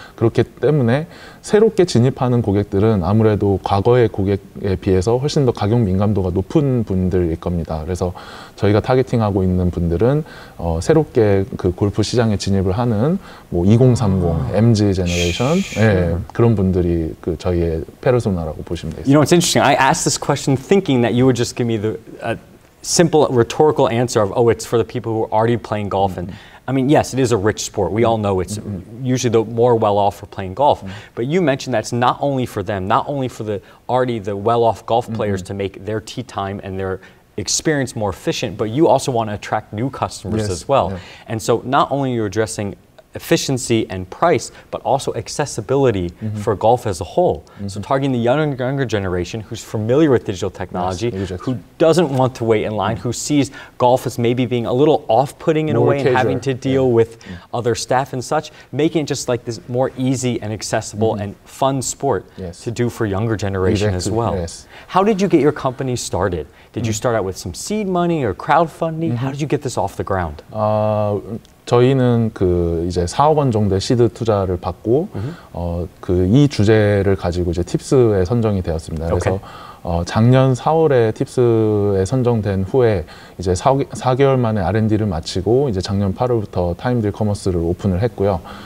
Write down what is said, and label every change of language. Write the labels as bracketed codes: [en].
[ko] 그렇기 때문에 새롭게 진입하는 고객들은 아무래도 과거의 고객에 비해서 훨씬 더 가격 민감도가 높은 분들일 겁니다. 그래서 저희가 타겟팅하고 있는 분들은 새롭게 그 골프 시장에 진입을 하는 뭐 2030, MZ 제너레이션 sure. 예, 그런 분들이 그 저희의 페르소나라고 보시면 되겠습니다. [en] You know, it's interesting. I asked this question thinking that you would just give me the... simple rhetorical answer of, oh, it's for the people who are already playing golf. Mm-hmm. And I mean, yes, it is a rich sport. We all know it's mm-hmm. usually the more well-off for playing golf. Mm-hmm. But you mentioned that's not only for them, not only for the already the well-off golf players mm-hmm. to make their tee time and their experience more efficient, but you also want to attract new customers yes. as well. Yeah. And so not only are you addressing efficiency and price, but also accessibility mm-hmm. for golf as a whole. Mm-hmm. So targeting the younger generation who's familiar with digital technology, yes, exactly. who doesn't want to wait in line, mm-hmm. who sees golf as maybe being a little off-putting in more a way casual. And having to deal yeah. with mm-hmm. other staff and such, making it just like this more easy and accessible mm-hmm. and fun sport yes. to do for younger generation exactly. as well. Yes. How did you get your company started? Did mm-hmm. you start out with some seed money or crowdfunding? Mm-hmm. How did you get this off the ground? [ko] 저희는 그 이제 4억 원 정도의 시드 투자를 받고 그 이 주제를 가지고 이제 팁스에 선정이 되었습니다. 그래서 작년 4월에 팁스에 선정된 후에 이제 4개월 만에 R&D를 마치고 이제 작년 8월부터 타임딜 커머스를 오픈을 했고요.